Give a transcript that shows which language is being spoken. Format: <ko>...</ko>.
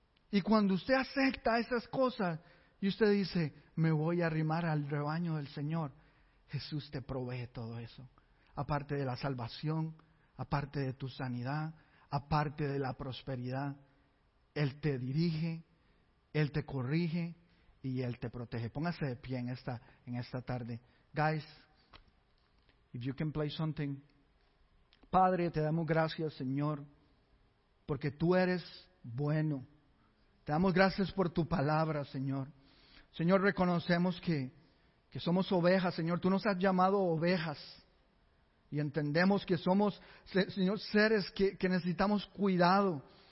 <es>Y cuando usted acepta esas cosas, y usted dice, me voy a arrimar al rebaño del Señor. Jesús te provee todo eso. Aparte de la salvación, aparte de tu sanidad, aparte de la prosperidad. Él te dirige, Él te corrige. Y Él te protege. Póngase de pie en esta tarde.</es> <en>Guys, if you can play something.</en> <es>Padre, te damos gracias, Señor, porque tú eres bueno. Te damos gracias por tu palabra, Señor. Señor, reconocemos que somos ovejas, Señor. Tú nos has llamado ovejas. Y entendemos que somos, Señor, seres que necesitamos cuidado.</es>